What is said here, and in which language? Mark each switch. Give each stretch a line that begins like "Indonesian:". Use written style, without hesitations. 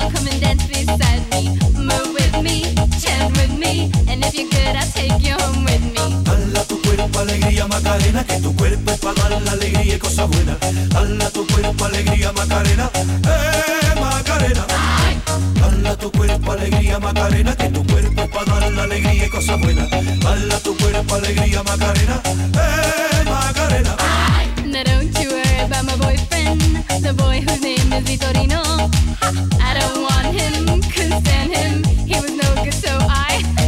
English: With me, chant with me, and if you could, I'd take you home with me.
Spanish: alegría, Macarena, que tu cuerpo es para dar la alegría y cosas buenas. Dale a tu cuerpo alegría, Macarena, Macarena. Dale a tu cuerpo alegría, Macarena, que tu cuerpo es para dar la alegría y cosas buenas. Dale a tu cuerpo alegría, Macarena, Macarena.
English: Now don't you worry about my boyfriend, the boy whose name is Vitorino. I don't want him, couldn't stand him, he was no good, so I...